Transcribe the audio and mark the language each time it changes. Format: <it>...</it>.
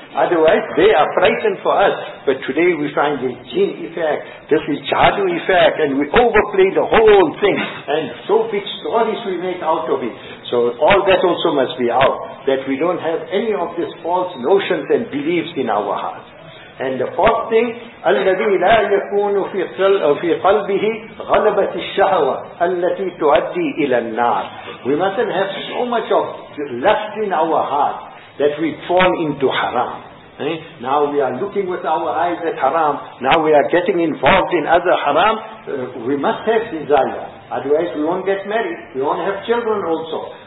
<en>Otherwise, they are frightened for us. But today we find the jinn effect, this is jadu effect, and we overplay the whole thing. And so big stories we make out of it. So all that also must be out, that we don't have any of these false notions and beliefs in our hearts. And the fourth thing,</en> <ar>الَّذِي لَا يَكُونُ فِي قَلْبِهِ غَلَبَةِ الشَّهْوَةِ الَّتِي تُعَدِّي إِلَى النَّارِ.</ar> <en>We mustn't have so much of lust in our heart that we fall into haram. Now we are looking with our eyes at haram. Now we are getting involved in other haram. We must have desire. Otherwise we won't get married. We won't have children also.</en>